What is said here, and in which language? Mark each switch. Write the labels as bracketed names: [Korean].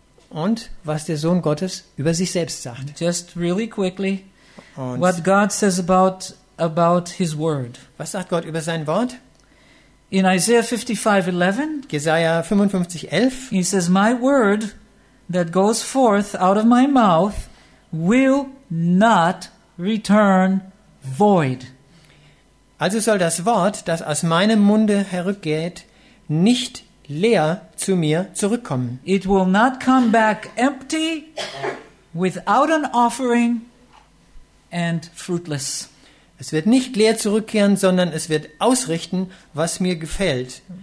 [German] Und was der Sohn Gottes über sich selbst sagt. [English] Just really quickly, what God says about his word. [German] Was sagt Gott über sein Wort? [English] In Isaiah 55:11, [German] Jesaja 55:11, [English] he says, "My word that goes forth out of my mouth will not return void." [German] Also soll das Wort, das aus meinem Munde herückgeht, nicht leer zu mir zurückkommen. [English] It will not come back empty, without an offering, and fruitless. [German] Es wird nicht leer zurückkehren, sondern es wird ausrichten, was mir gefällt.